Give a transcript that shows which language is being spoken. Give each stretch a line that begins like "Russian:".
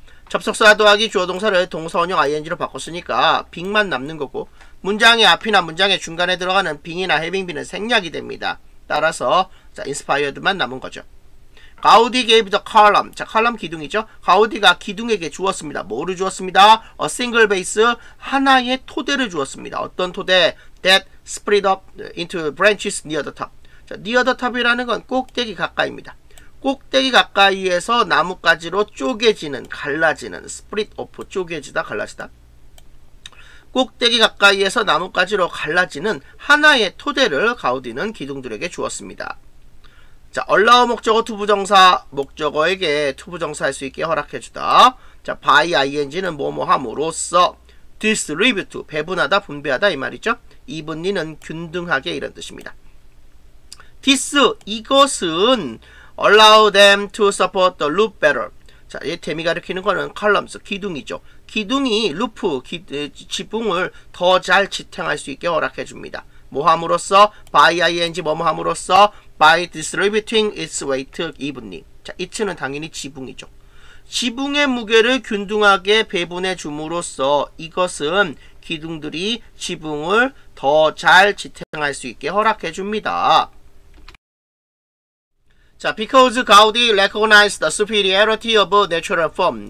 Korean: 접속사 더하기 주어동사를 동사원형 ing로 바꿨으니까 being만 남는 거고 문장의 앞이나 문장의 중간에 들어가는 being이나 having been은 생략이 됩니다. 따라서 자, inspired만 남은 거죠.
English: Gaudi gave the column.
Korean: 자, column 기둥이죠. Gaudi가 기둥에게 주었습니다. 뭐를 주었습니다?
English: A single base.
Korean: 하나의 토대를 주었습니다. 어떤 토대?
English: That spread up into branches near the top.
Korean: 자, near the top이라는 건 꼭대기 가까이입니다. 꼭대기 가까이에서 나뭇가지로 쪼개지는, 갈라지는,
English: split off,
Korean: 쪼개지다, 갈라지다. 꼭대기 가까이에서 나뭇가지로 갈라지는 하나의 토대를 가우디는 기둥들에게 주었습니다. 자, allow 목적어 to 부정사, 목적어에게 to 부정사할 수 있게 허락해주다. 자, by ing는 뭐뭐함으로써, distribute, 배분하다, 분배하다 이 말이죠. evenly는 균등하게 이런 뜻입니다.
English: this,
Korean: 이것은
English: allow them to support the loop better.
Korean: 자, 이 데미 가리키는 거는 columns, 기둥이죠. 기둥이 loop, 지붕을 더 잘 지탱할 수 있게 허락해줍니다. 뭐함으로써?
English: by ing 뭐뭐함으로써? by distributing its weight evenly.
Korean: 자, it는 당연히 지붕이죠. 지붕의 무게를 균등하게 배분해줌으로써 이것은 기둥들이 지붕을 더 잘 지탱할 수 있게 허락해줍니다.
English: 자, because Gaudi recognized the superiority of natural form.